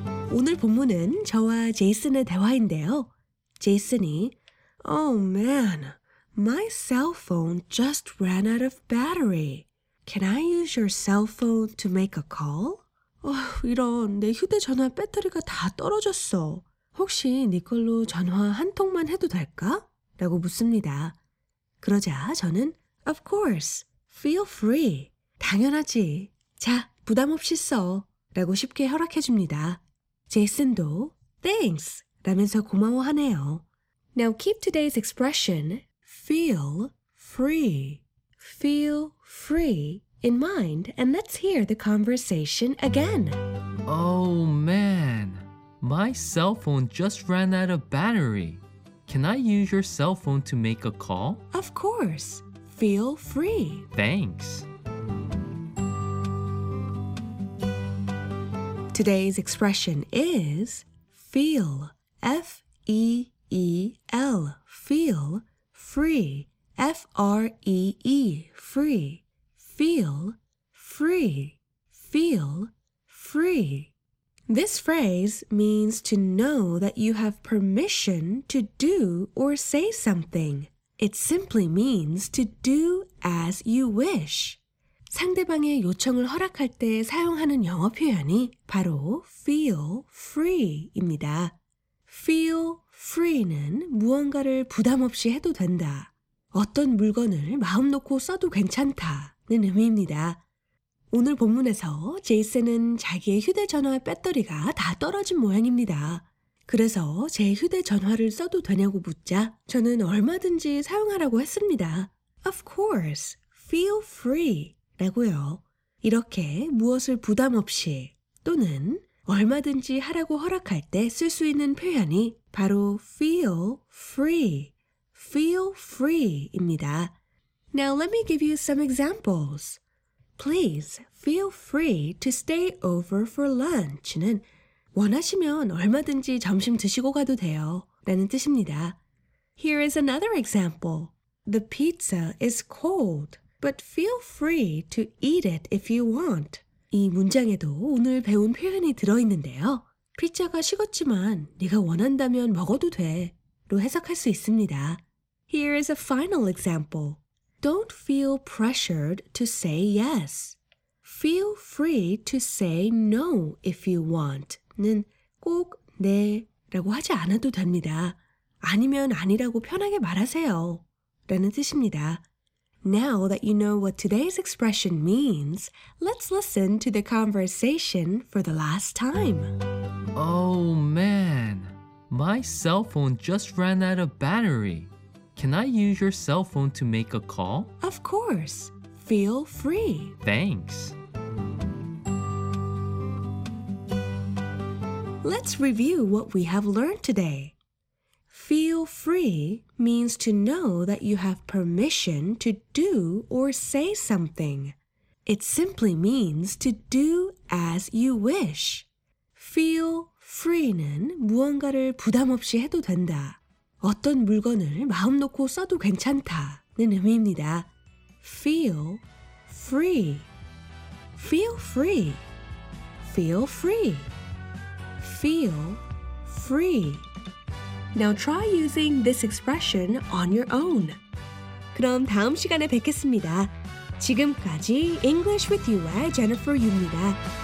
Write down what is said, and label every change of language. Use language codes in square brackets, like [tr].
[ko] 오늘 본문은 저와 제이슨의 대화인데요. [en] 제이슨이 Oh man, my cell phone just ran out of battery. Can I use your cell phone to make a call? [ko] 이런 내 휴대전화 배터리가 다 떨어졌어. 혹시 네 걸로 전화 한 통만 해도 될까? 라고 묻습니다. 그러자 저는 [en] Of course, feel free. [ko] 당연하지. 자, 부담 없이 써. 라고 쉽게 허락해 줍니다. 제이슨도 [en] Thanks! [ko] 라면서 고마워하네요. [en] Now keep today's expression, feel free. Feel free in mind and let's hear the conversation again. Oh man, my cell phone just ran out of battery. Can I use your cell phone to make a call? Of course. Feel free. Thanks. Today's expression is feel, F-E-E-L, feel, free, F-R-E-E, free, feel, free, feel, free. This phrase means to know that you have permission to do or say something. It simply means to do as you wish. [ko] 상대방의 요청을 허락할 때 사용하는 영어 표현이 바로 feel free입니다. Feel free는 무언가를 부담없이 해도 된다. 어떤 물건을 마음 놓고 써도 괜찮다는 의미입니다. 오늘 본문에서 제이슨은 자기의 휴대전화 배터리가 다 떨어진 모양입니다. 그래서 제 휴대전화를 써도 되냐고 묻자 저는 얼마든지 사용하라고 했습니다. [en] Of course, feel free [ko] 라고요. 이렇게 무엇을 부담 없이 또는 얼마든지 하라고 허락할 때 쓸 수 있는 표현이 바로 feel free, feel free 입니다. [en] Now let me give you some examples. Please feel free to stay over for lunch [ko] 는 원하시면 얼마든지 점심 드시고 가도 돼요 라는 뜻입니다. [en] Here is another example. The pizza is cold, but feel free to eat it if you want. [ko] 이 문장에도 오늘 배운 표현이 들어있는데요. 피자가 식었지만 네가 원한다면 먹어도 돼 로 해석할 수 있습니다. [en] Here is a final example. Don't feel pressured to say yes. Feel free to say no if you want. [ko] 는 꼭 네 라고 하지 않아도 됩니다. 아니면 아니라고 편하게 말하세요 라는 뜻입니다. [en] Now that you know what today's expression means, let's listen to the conversation for the last time. Oh man, my cell phone just ran out of battery. Can I use your cell phone to make a call? Of course. Feel free. Thanks. Let's review what we have learned today. Feel free means to know that you have permission to do or say something. It simply means to do as you wish. Feel free는 [ko] 무언가를 부담 없이 해도 된다. 어떤 물건을 마음 놓고 써도 괜찮다는 의미입니다. [en] Feel free. Feel free. Feel free. Feel free. Now try using this expression on your own. [ko] 그럼 다음 시간에 뵙겠습니다. 지금까지 English with You의 Jennifer Yu입니다.